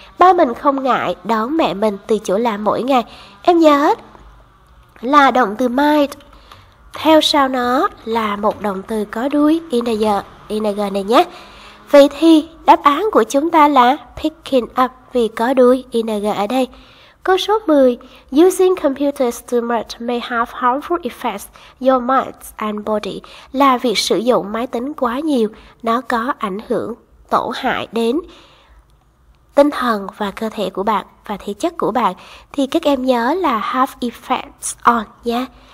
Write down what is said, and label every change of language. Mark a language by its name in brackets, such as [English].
[Vietnamese] Ba mình không ngại đón mẹ mình từ chỗ làm mỗi ngày. Em nhớ là động từ mind Theo sau nó là một động từ có đuôi ing này nhé. Vậy thì đáp án của chúng ta là picking up vì có đuôi ing ở đây. Câu số 10. [English] Using computers too much may have harmful effects your mind and body. [Vietnamese] Là việc sử dụng máy tính quá nhiều, nó có ảnh hưởng, tổn hại đến tinh thần và cơ thể của bạn và thể chất của bạn. Thì các em nhớ là [English] have effects on [Vietnamese] nha.